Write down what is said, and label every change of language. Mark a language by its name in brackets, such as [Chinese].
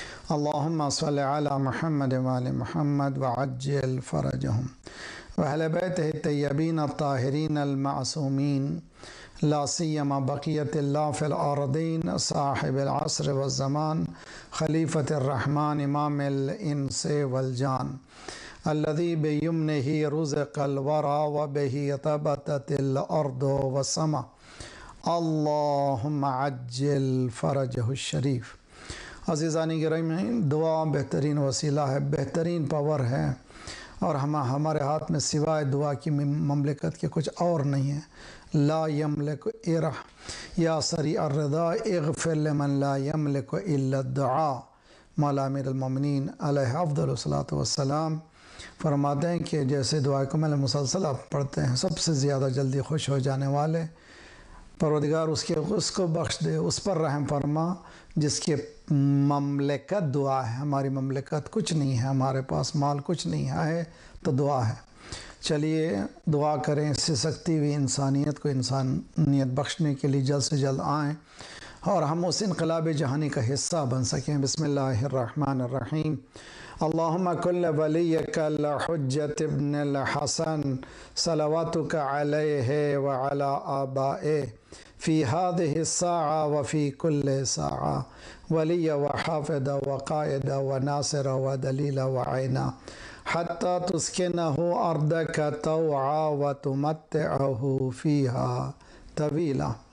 [Arabic] اللهم صل على محمد وآل محمد وعجل فرجهم وأهل بيته الطيبين الطاهرين المعصومين، لا سيما بقية الله في الأرضين، صاحب العصر والزمان، خليفة الرحمن، إمام الإنس والجان، الذي بيمنه رزق الورى وبه ثبتت الأرض والسماء. اللهم عجل فرجه الشريف. [Urdu] عزیزانی گرامی، دعا بہترین وسیلہ ہے، بہترین پاور ہے، اور ہمارے ہاتھ میں سوائے دعا کی مملکت کے کچھ اور نہیں ہے. [Arabic] لا یملک ارح یا سری الرضا اغفر لمن لا یملک الا الدعا. [Urdu] مولا امیر المومنین علیہ افضل الصلاۃ والسلام فرماتے ہیں کہ جیسے دعا کو میں مسلسل آپ پڑھتے ہیں، سب سے زیادہ جلدی خوش ہو جانے والے پروردگار اس کو بخش دے، اس پر رحم فرما جس کے مملکت دعا ہے. ہماری مملکت کچھ نہیں ہے، ہمارے پاس مال کچھ نہیں ہے، تو دعا ہے. چلیے دعا کریں، سسکتی ہوئی انسانیت کو انسانیت بخشنے کے لیے جلد سے جلد آئیں اور ہم اس انقلاب جہانی کا حصہ بن سکیں. [Arabic] بسم اللہ الرحمن الرحیم. اللهم كل وليك الحجة ابن الحسن صلواتك عليه وعلى آبائه في هذه الساعة وفي كل ساعة، ولي وحافظ وقائد وناصر ودليل وعينا، حتى تسكنه أرضك طوعا وتمتعه فيها طويلا.